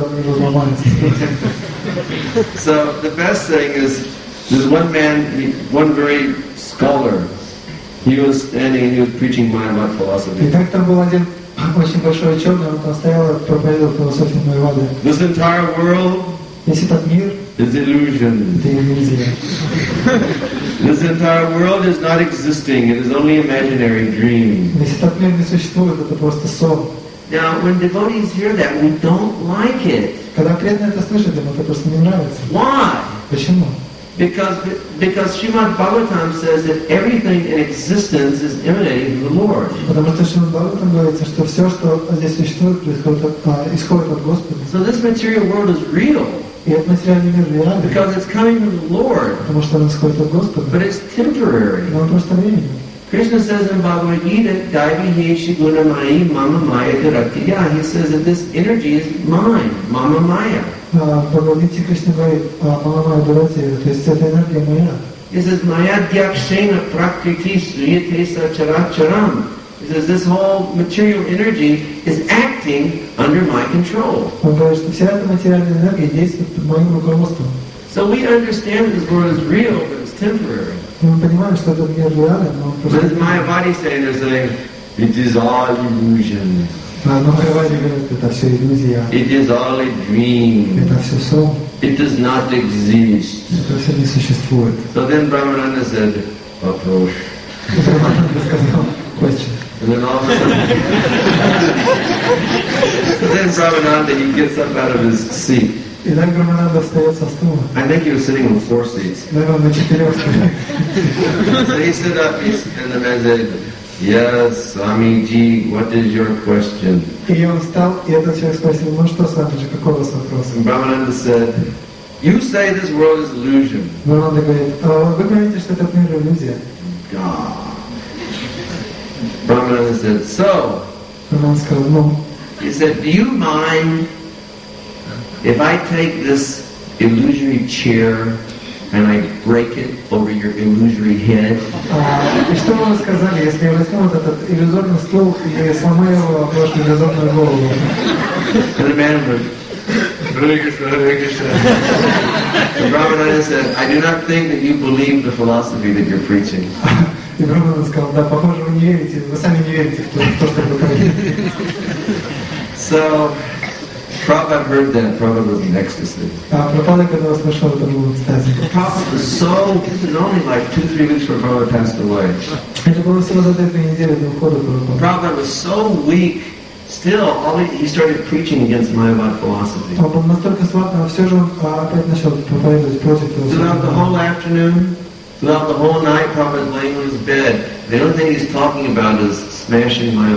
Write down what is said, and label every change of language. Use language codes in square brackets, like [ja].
[en] So the best thing is, there's one very scholar. He was standing and he was preaching Mayavada philosophy. [ru] Итак, там был один очень большой ученый, он там стоял и проповедовал философию Майявады. [en] This entire world is illusion. This entire world is not existing. It is only imaginary dream. [ru] Весь этот мир не существует, это просто сон. [en] Now, when devotees hear that, we don't like it. [ru] Когда преданные это слышат, им это просто не нравится. [en] Why? [ru] Почему? [en] Because Srimad Bhagavatam says that everything in existence is emanating from the Lord. [ru] Потому что Шримад Бхагаватам говорится, что все, что здесь существует, исходит от Господа. [en] So this material world is real. [ru] И этот материальный мир реален. [en] Because it's coming from the Lord. [ru] Потому что он исходит от Господа. [en] But it's temporary. [ru] Но он просто временный. [en] Krishna says in Bhagavad Gita, [sa] "Daivihesi guna mai mama maya dharatiya." [en] He says that this energy is mine, mama maya. [ru] Бхагавадите Кришна говорит, мама моя дурация, то есть эта энергия моя. [en] He says, [sa] "Maya dyakshena prakriti sriyate sa characharam." [en] He says, "This whole material energy is acting under my control." [ru] Он говорит, что вся эта материальная энергия действует под моим руководством. [en] So we understand this world is real, but it's temporary. [ru] Мы понимаем, что этот мир реален, но просто... [en] But as Mayavadi saying, they're saying, "It is all illusion." It is all a dream. It does not exist. So then Brahmananda said, "Approach." And then all of a sudden, so then Brahmananda, he gets up out of his seat. [ru] И так Брахмананда встает со стула. [en] I think he was sitting on four seats. [ru] Наверное, на четырех стульях. [en] So he stood up, and the man said, "Yes, Swamiji, what is your question?" [ru] И он встал, и этот человек спросил, "Ну что, Свамиджи, какой у вас вопрос?" [en] And Brahmananda said, "You say this world is illusion." [ru] Брахмананда говорит, "А вы говорите, что этот мир иллюзия?" [en] God. Брахмананда said, "So." [ru] Брахмананда сказал, "Ну." [en] He said, "Do you mind if I take this illusory chair and I break it over your illusory head?" [ru] И что вы сказали, если я возьму вот этот иллюзорный стул и сломаю его об вашу иллюзорную голову? [en] And the man went, So Brahmananda said, I do not think that you believe the philosophy that you're preaching. [ru] И Брахманан сказал, да, похоже, вы не верите, вы сами не верите в то, что вы говорите. [en] So, Prabhupada heard that, Prabhupada was in ecstasy. [ru] Прабхупада, когда услышал, это был в экстазе. [en] Prabhupada was so, this is only like 2-3 weeks before Prabhupada passed away. [ru] Это было всего за 2-3 недели до ухода Прабхупады. [en] Prabhupada was so weak, still, he started preaching against Mayavada philosophy. [ru] Он был настолько слаб, но все же он опять начал проповедовать против этого. [en] Throughout the whole afternoon, throughout the whole night, Prabhupada is laying on his bed. The only thing he's talking about is smashing